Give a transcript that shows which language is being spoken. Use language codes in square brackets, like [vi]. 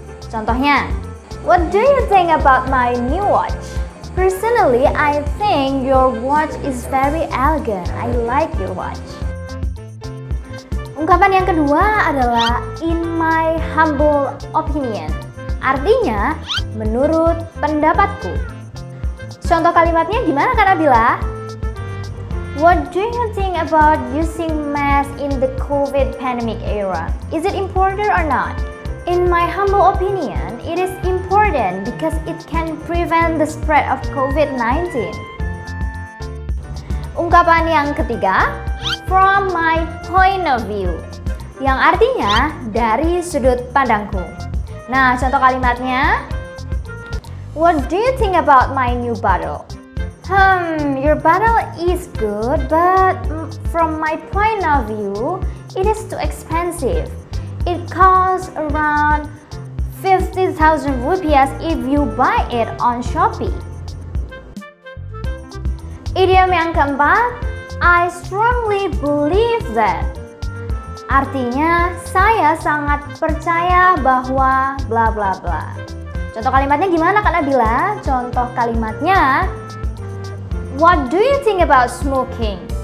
[id] Contohnya, [en] what do you think about my new watch? Personally, I think your watch is very elegant. I like your watch. [id] Ungkapan yang kedua adalah [en] in my humble opinion. [id] Artinya, menurut pendapatku. Contoh kalimatnya gimana Kak Nabila? [en] What do you think about using mask in the COVID pandemic era? Is it important or not? In my humble opinion, it is important because it can prevent the spread of COVID-19. [id] Ungkapan yang ketiga, [en] from my point of view, [id] yang artinya dari sudut pandangku. Nah, contoh kalimatnya, [en] what do you think about my new bottle? Your bottle is good, but from my point of view, it is too expensive. It costs around 50,000 rupiah if you buy it on Shopee. [id] Idiom yang keempat, [en] I strongly believe that. [id] Artinya, saya sangat percaya bahwa bla bla bla. Contoh kalimatnya gimana Kak Nabila? Contoh kalimatnya, [en] what do you think about smoking?